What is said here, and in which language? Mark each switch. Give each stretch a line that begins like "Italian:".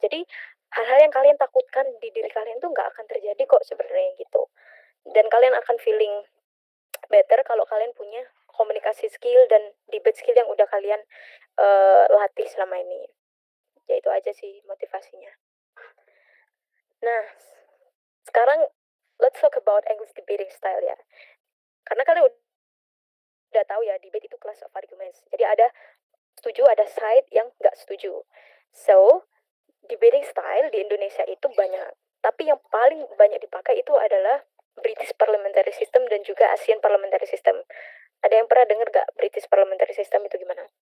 Indonesian: Jadi hal-hal yang kalian takutkan di diri kalian tuh gak akan terjadi kok sebenarnya gitu. Dan kalian akan
English: feeling better
Indonesian: kalau kalian punya komunikasi skill dan debate skill yang udah kalian latih selama ini. Ya itu aja sih motivasinya. Nah, sekarang
English: let's talk about English debating style ya.
Indonesian: Karena kalian udah tahu ya, debate itu
English: class of arguments.
Indonesian: Jadi ada setuju, ada side yang gak setuju. So, debating style di Indonesia itu banyak. Tapi yang paling banyak dipakai itu adalah British Parliamentary System dan juga Asian Parliamentary System. Ada yang pernah dengar gak British Parliamentary System itu gimana?